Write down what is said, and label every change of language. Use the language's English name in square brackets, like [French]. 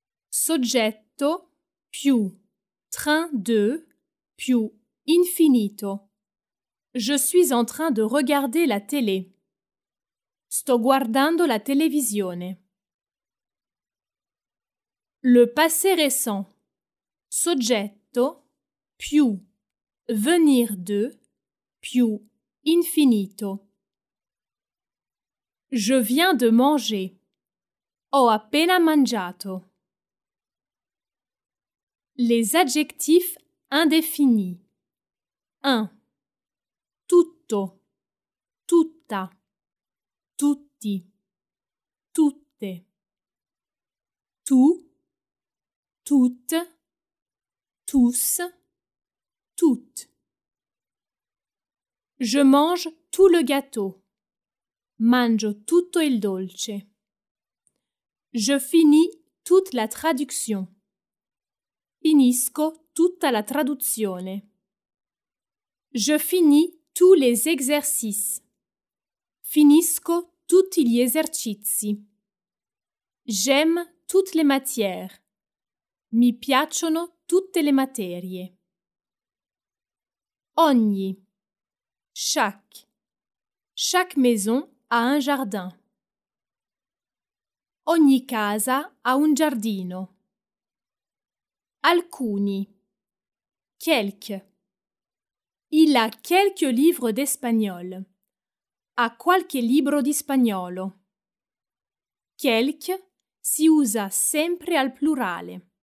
[Italian] Soggetto più [French] train de [Italian] più infinito. [French] Je suis en train de regarder la télé. [Italian] Sto guardando la televisione. [French] Le passé récent. [Italian] Soggetto più [French] venir de [Italian] più infinito. [French] Je viens de manger. [Italian] Ho appena mangiato. [French] Les adjectifs indéfinis. 1. [Italian] Tutto, tutta, tutti, tutte. [French] Tout, toutes, tous, toutes. Je mange tout le gâteau. [Italian] Mangio tutto il dolce. [French] Je finis toute la traduction. [Italian] Finisco tutta la traduzione. [French] Je finis tous les exercices. [Italian] Finisco tutti gli esercizi. [French] J'aime toutes les matières. [Italian] Mi piacciono tutte le materie. Ogni. [French] Chaque. Chaque maison a un jardin. [Italian] Ogni casa ha un giardino. Alcuni. [French] Quelques. Il a quelques livres d'espagnol. [Italian] Ha qualche libro di spagnolo. Quelques si usa sempre al plurale.